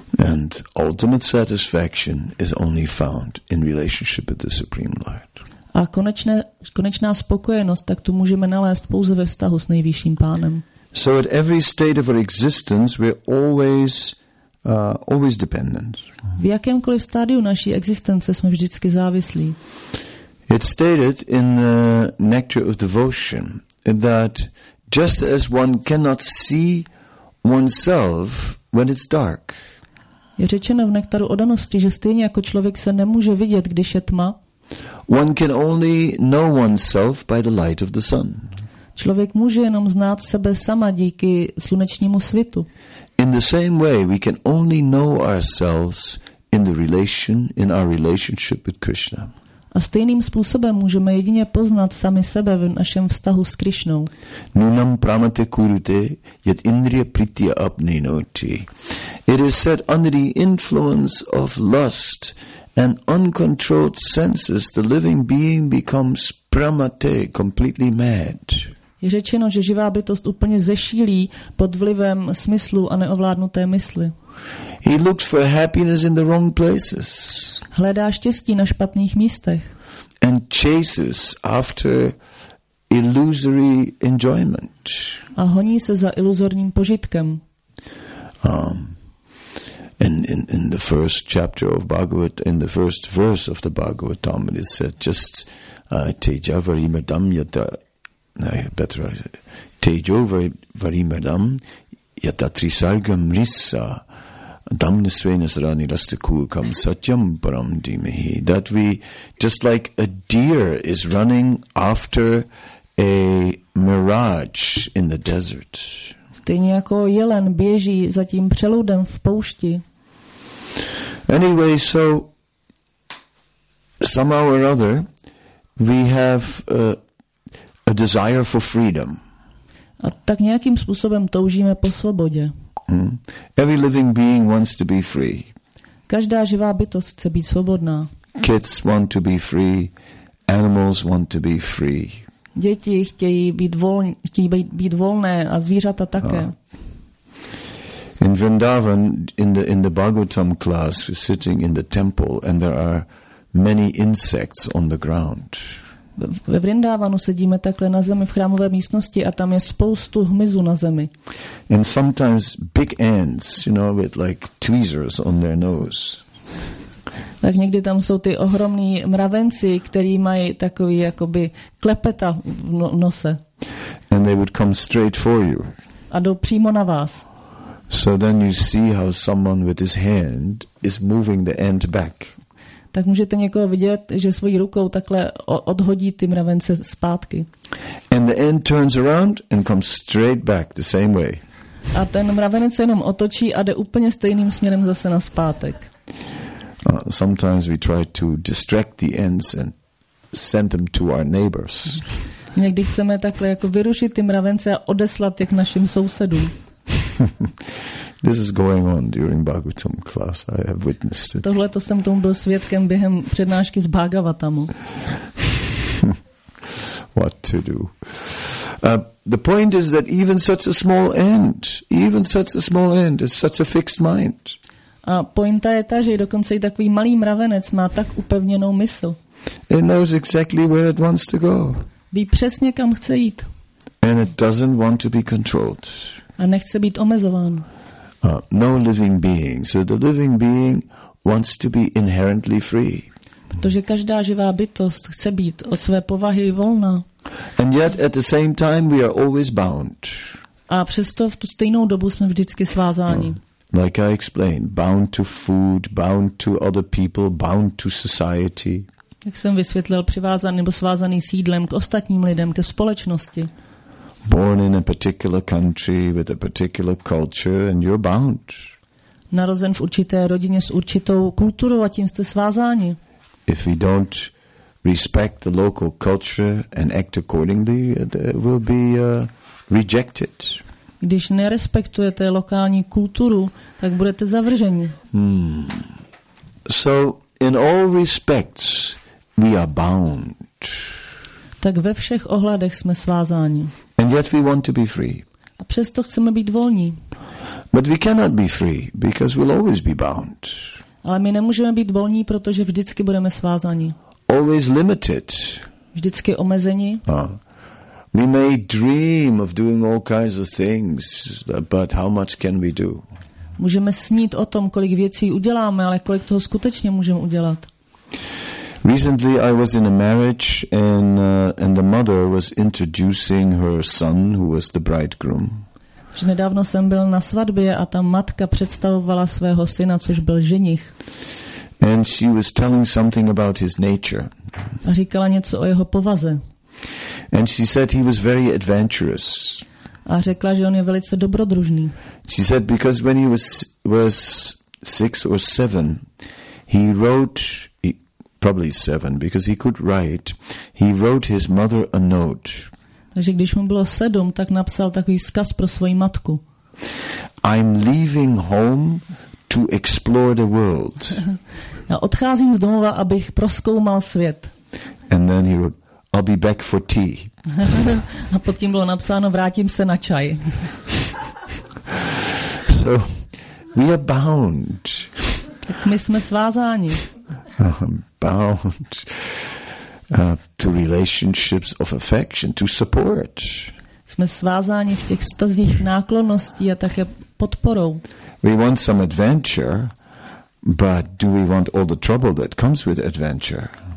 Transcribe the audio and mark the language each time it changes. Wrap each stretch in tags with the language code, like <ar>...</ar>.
<en>And ultimate satisfaction is only found in relationship with the Supreme Lord.</en> <cs>A konečná spokojenost, tak tu můžeme nalézt pouze ve vztahu s nejvyšším pánem.</cs> <en>So at every state of our existence we're always dependent.</en> <cs>V jakémkoliv stádiu naší existence jsme vždycky závislí.</cs> <en>It's stated in the Nectar of Devotion that just as one cannot see oneself when it's dark.</en> <cs>Je řečeno v Nektaru odanosti, že stejně jako člověk se nemůže vidět, když je tma.</cs> <en>One can only know oneself by the light of the sun.</en> <cs>Člověk může jenom znát sebe sama díky slunečnímu svitu.</cs> <en>In the same way we can only know ourselves in our relationship with Krishna.</en> <cs>A stejným způsobem můžeme jedině poznat sami sebe v našem vztahu s Krišnou.</cs> <sa>Nunam pramate kurute yat indriya pritya apninoti.</sa> <en>It is said under the influence of lust and uncontrolled senses the living being becomes pramate, completely mad.</en> <cs>Je řečeno, že živá bytost úplně zešílí pod vlivem smyslu a neovládnuté mysli.</cs> <en>He looks for happiness in the wrong places.</en> <cs>Hledá štěstí na špatných místech.</cs> <en>And chases after illusory enjoyment.</en> <cs>A honí se za iluzorním požitkem.</cs> <en>In the first chapter of Bhagavad, in the first verse of the Bhagavatam, it is said, just</en> <sa>teja varimadam yata. Tejo varimadam yata trisargam rissa.</sa> <en>That we, just like a deer is running after a mirage in the desert.</en> <cs>Stejně jako jelen běží za tím přeloudem v poušti.</cs> <en>Anyway, so somehow or other, we have a desire for freedom.</en> <cs>A tak nějakým způsobem toužíme po svobodě.</cs> <en>Every living being wants to be free.</en> <cs>Každá živá bytost chce být svobodná.</cs> <en>Kids want to be free. Animals want to be free.</en> <cs>Děti chtějí být volné a zvířata také.</cs> <en>In Vrindavan, in the Bhagavatam class, we're sitting in the temple and there are many insects on the ground.</en> <cs>Ve Vrindávanu sedíme takhle na zemi v chrámové místnosti a tam je spoustu hmyzu na zemi.</cs> <en>And sometimes big ants, you know, with like tweezers on their nose.</en> <cs>Tak někdy tam jsou ty ohromní mravenci, který mají takový jakoby klepeta v nose.</cs> <en>And they would come straight for you.</en> <cs>A jdou přímo na vás.</cs> <en>So then you see how someone with his hand is moving the ant back.</en> <cs>Tak můžete někoho vidět, že svojí rukou takhle odhodí ty mravence zpátky.</cs> <en>And the ant turns around and comes straight back the same way.</en> <cs>A ten mravenec jenom otočí a jde úplně stejným směrem zase na zpátek.</cs> <en>Sometimes we try to distract the ants and send them to our neighbors.</en> <cs>Někdy chceme takhle jako vyrušit ty mravence a odeslat je k našim sousedům.</cs> <en>This is going on during Bhagavatam class. I have witnessed it.</en> <cs>Tohle to jsem tomu byl svědkem během přednášky z Bhagavatamu.</cs> <en>What to do? The point is that even such a small ant is such a fixed mind.</en> <cs>A pointa je ta, že dokonce i takový malý mravenec má tak upevněnou mysl.</cs> <en>It knows exactly where it wants to go.</en> <cs>Ví přesně kam chce jít.</cs> <en>And it doesn't want to be controlled.</en> <cs>A nechce být omezován.</cs> <en>No living being. So the living being wants to be inherently free.</en> <cs>Protože každá živá bytost chce být od své povahy volná.</cs> <en>And yet at the same time we are always bound.</en> <cs>A přesto v tu stejnou dobu jsme vždycky svázáni.</cs> <en>Like I explained, bound to food, bound to other people, bound to society.</en> <cs>Jak jsem vysvětlil, přivázaný nebo svázaný s jídlem k ostatním lidem, ke společnosti.</cs> <en>Born in a particular country with a particular culture and you're bound.</en> <cs>Narozen v určité rodině s určitou kulturou a tím jste svázáni.</cs> <en>If we don't respect the local culture and act accordingly, will be rejected.</en> <cs>Když nerespektujete lokální kulturu, tak budete zavrženi.</cs> <en>So in all respects we are bound.</en> <cs>Tak ve všech ohledech jsme svázáni.</cs> <en>And yet we want to be free.</en> <cs>A přesto chceme být volní.</cs> <en>But we cannot be free because we'll always be bound.</en> <cs>Ale my nemůžeme být volní, protože vždycky budeme svázáni.</cs> <en>Always limited.</en> <cs>Vždycky omezení.</cs> <en>We may dream of doing all kinds of things, but how much can we do?</en> <cs>Můžeme snít o tom, kolik věcí uděláme, ale kolik toho skutečně můžeme udělat.</cs> <en>Recently I was in a marriage and the mother was introducing her son who was the bridegroom.</en> <cs>Nedávno jsem byl na svatbě a ta matka představovala svého syna, což byl ženich.</cs> <en>And she was telling something about his nature.</en> <cs>A říkala něco o jeho povaze.</cs> <en>And she said he was very adventurous.</en> <cs>A řekla, že on je velice dobrodružný.</cs> <en>She said because when he was 6 or 7, he wrote, probably 7, because he could write, he wrote his mother a note.</en> <cs>Takže když mu bylo 7, tak napsal takový vzkaz pro svoji matku.</cs> <en>I'm leaving home to explore the world.</en> <cs>Já odcházím z domova, abych prozkoumal svět.</cs> <en>And then he wrote, I'll be back for tea.</en> <cs>A pod tím bylo napsáno, vrátím se na čaj.</cs> <en>So, we are bound.</en> <cs>Tak my jsme svázáni.</cs> <en>Bound to relationships of affection, to support.</en> <cs>Jsme svázáni v těch vztazích náklonností a také podporou.</cs> <en>We want some adventure, but do we want all the trouble that comes with adventure?</en>